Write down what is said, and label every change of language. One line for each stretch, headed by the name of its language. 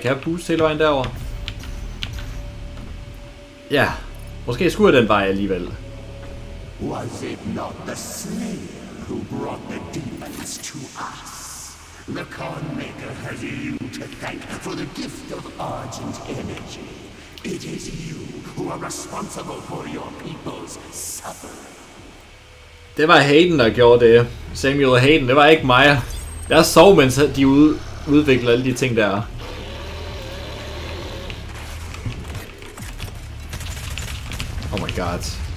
Danish: Kan jeg boost hele vejen derover? Ja. Måske skur den vej alligevel.
English: Was it not the snail who brought the demons to us? The corn maker has you to thank for the gift of urgent energy. It is you who are responsible for your people's suffering.
Danish: Det var Hayden, der gjorde det. Samuel Hayden, det var ikke mig. Jeg sov, mens de udviklede alle de ting, der er.
English: Oh my god.